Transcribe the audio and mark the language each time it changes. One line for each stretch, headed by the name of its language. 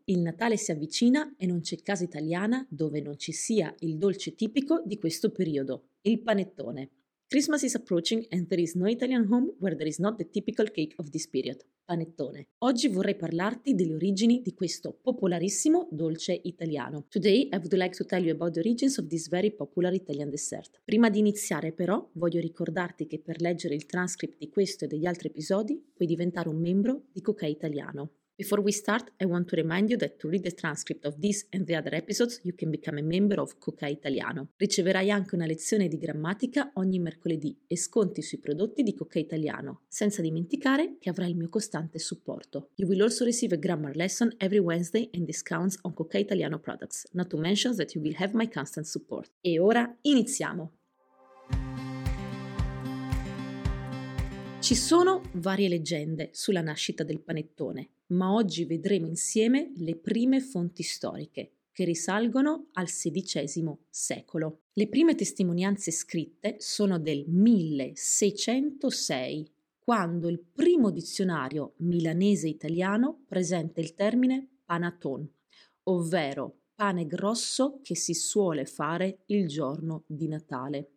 Italian: Il Natale si avvicina e non c'è casa italiana dove non ci sia il dolce tipico di questo periodo, il panettone.
English: Christmas is approaching and there is no Italian home where there is not the typical cake of this period, panettone.
Italian: Oggi vorrei parlarti delle origini di questo popolarissimo dolce italiano.
English: Today I would like to tell you about the origins of this very popular Italian dessert.
Italian: Prima di iniziare però voglio ricordarti che per leggere il transcript di questo e degli altri episodi puoi diventare un membro di Cooka Italiano.
English: Before we start, I want to remind you that to read the transcript of this and the other episodes, you can become a member of Cooka Italiano.
Italian: Riceverai anche una lezione di grammatica ogni mercoledì e sconti sui prodotti di Cooka Italiano, senza dimenticare che avrai il mio costante supporto.
English: You will also receive a grammar lesson every Wednesday and discounts on Cooka Italiano products, not to mention that you will have my constant support.
Italian: E ora iniziamo! Ci sono varie leggende sulla nascita del panettone. Ma oggi vedremo insieme le prime fonti storiche, che risalgono al XVI secolo. Le prime testimonianze scritte sono del 1606, quando il primo dizionario milanese-italiano presenta il termine panettone, ovvero pane grosso che si suole fare il giorno di Natale.